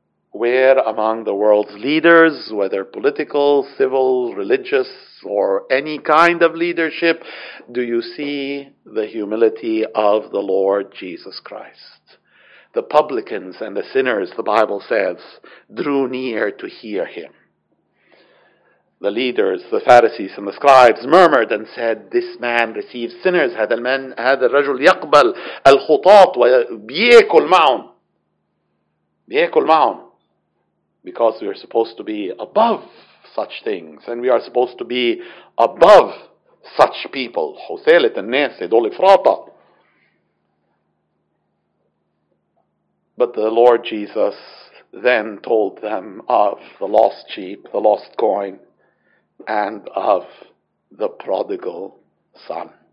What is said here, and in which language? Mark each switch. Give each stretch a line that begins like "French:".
English: Where among the world's leaders, whether political, civil, religious, or any kind of leadership, do you see the humility of the Lord Jesus Christ? The publicans and the sinners, the Bible says, drew near to hear him. The leaders, the Pharisees and the scribes murmured and said, this man receives sinners.
Arabic: هذا المن, هذا الرجل يقبل الخطاة وبيأكل معهم. بيأكل معهم.
English: Because we are supposed to be above such things. And we are supposed to be above such people.
Arabic: حسالة الناس دول إفراطة.
English: But the Lord Jesus then told them of the lost sheep, the lost coin, and of the prodigal son.